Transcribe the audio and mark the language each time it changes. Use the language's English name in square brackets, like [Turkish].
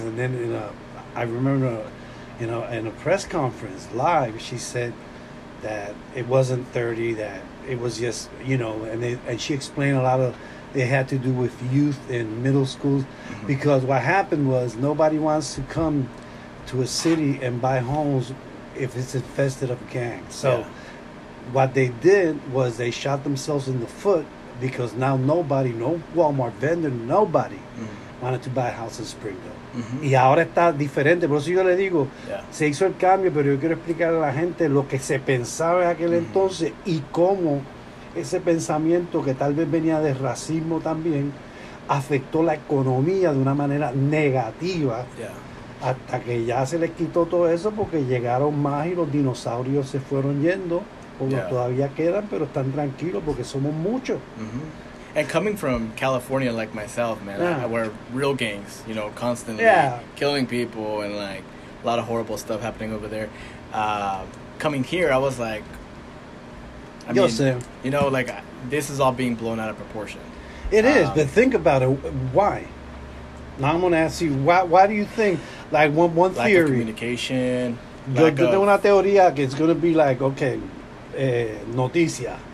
[English] And then I remember, in a press conference live, she said, that it wasn't 30, that it was just, you know, and she explained a lot of, it had to do with youth in middle schools, because what happened was nobody wants to come to a city and buy homes if it's infested of gangs. So what they did was they shot themselves in the foot, because now nobody, no Walmart vendor, nobody wanted to buy a house in Springdale. [Spanish] Y ahora está diferente, por eso yo le digo, se hizo el cambio, pero yo quiero explicar a la gente lo que se pensaba en aquel entonces y cómo ese pensamiento, que tal vez venía de racismo también, afectó la economía de una manera negativa, hasta que ya se les quitó todo eso porque llegaron más y los dinosaurios se fueron yendo, porque todavía quedan, pero están tranquilos porque somos muchos. [English] And coming from California, like myself, man, I wear real gangs, you know, constantly killing people and, like, a lot of horrible stuff happening over there. Coming here, I was like, you know, like, this is all being blown out of proportion. It is, but think about it. Why? Now I'm going to ask you, why do you think, like, one lack theory. Lack of communication. [Spanish] Yo tengo una teoría que es [English] going to be like, okay, [Spanish] noticia.